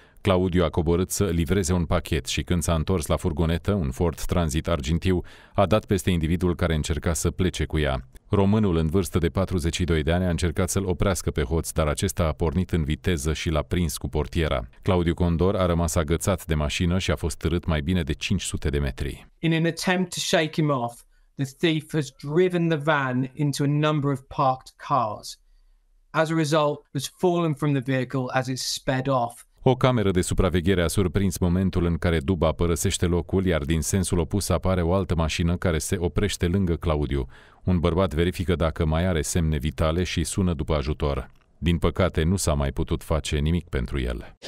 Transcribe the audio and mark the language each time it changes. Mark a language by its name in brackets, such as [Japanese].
[Romanian] Claudiu a coborât să livreze un pachet și când s-a întors la furgonetă, un Ford Transit argintiu, a dat peste individul care încerca să plece cu ea. Românul în vârstă de 42 de ani a încercat să-l oprească pe hoț, dar acesta a pornit în viteză și l-a prins cu portiera. Claudiu Condor a rămas agățat de mașină și a fost târât mai bine de 500 de metri. [English] In an attempt to shake him off, the thief has driven the van into a number of parked cars. As a result, has fallen from the vehicle as it sped off. [Romanian] O cameră de supraveghere a surprins momentul în care duba părăsește locul, iar din sensul opus apare o altă mașină care se oprește lângă Claudiu. Un bărbat verifică dacă mai are semne vitale și sună după ajutor. Din păcate, nu s-a mai putut face nimic pentru el.